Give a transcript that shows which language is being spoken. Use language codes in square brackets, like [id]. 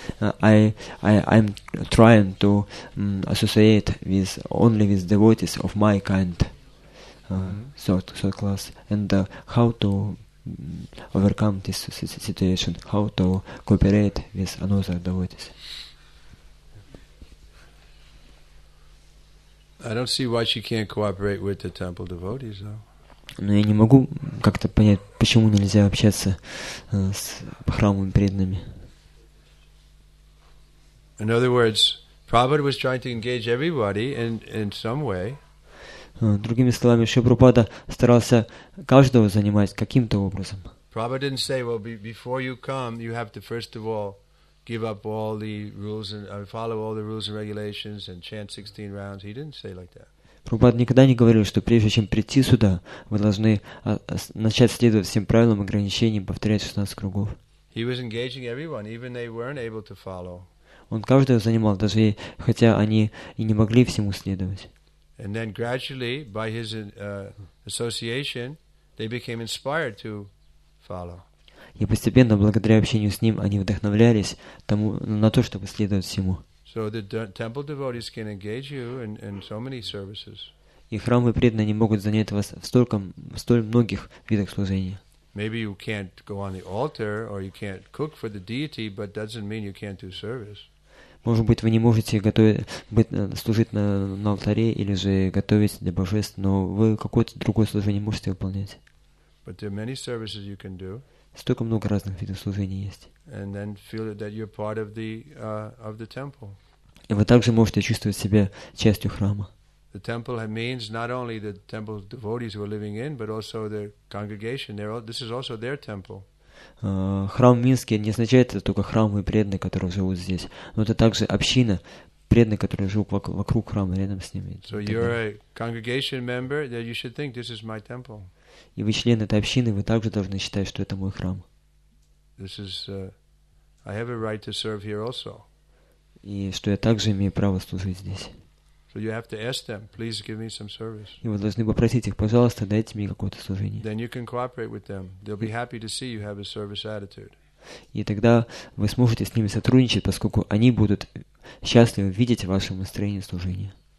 [en] I'm trying to associate with only with devotees of my kind, third class, and how to overcome this situation, how to cooperate with another devotees. I don't see why she can't cooperate with the temple devotees, though. [ru] Но я не могу как-то понять, почему нельзя общаться с храмовыми преданными. [en] In other words, Prabhupada was trying to engage everybody in some way. [ru] Другими словами, Шри Прабхупада старался каждого занимать каким-то образом. [en] Prabhupada didn't say, "Well, before you come, you have to first of all give up all the rules and follow all the rules and regulations and chant 16 rounds." He didn't say like that. [ru] Прабхупада никогда не говорил, что прежде чем прийти сюда, вы должны начать следовать всем правилам, ограничениям, повторять 16 кругов. [en] He was engaging everyone, even they weren't able to follow. [ru] Он каждого занимал, даже хотя они и не могли всему следовать. [en] And then gradually, by his association, they became inspired to follow. [ru] И постепенно, благодаря общению с ним, они вдохновлялись тому, на то, чтобы следовать всему. [en] So the temple devotees can engage you in so many services. [ru] И храмовые преданные могут занять вас в столь многих видах служения. [en] Maybe you can't go on the altar or you can't cook for the deity, but doesn't mean you can't do service. [ru] Может быть, вы не можете служить на алтаре или же готовить для божеств, но вы какое-то другое служение можете выполнять. [en] But there are many services you can do. [ru] Столько много разных видов служения есть. [en] And then feel that you're part of the temple. [ru] И вы также можете чувствовать себя частью храма. [en] The temple means not only the temple devotees who are living in, but also the congregation. This is also their temple. [ru] Храм в Минске не означает только храм и преданные, которые живут здесь, но это также община преданных, которые живут вокруг храма, рядом с ними. [en] So you're a congregation member, that you should think this is my temple. [ru] И вы член этой общины, вы также должны считать, что это мой храм. [en] This is, I have a right to serve here also. [ru] И что я также имею право служить здесь. [en] So you have to ask them, please give me some service. [ru] И вы должны попросить их, пожалуйста, дайте мне какое-то служение. [en] Then you can cooperate with them. They'll be happy to see you have a service attitude. [ru] И тогда вы сможете с ними сотрудничать, поскольку они будут счастливы видеть ваше настроение служения.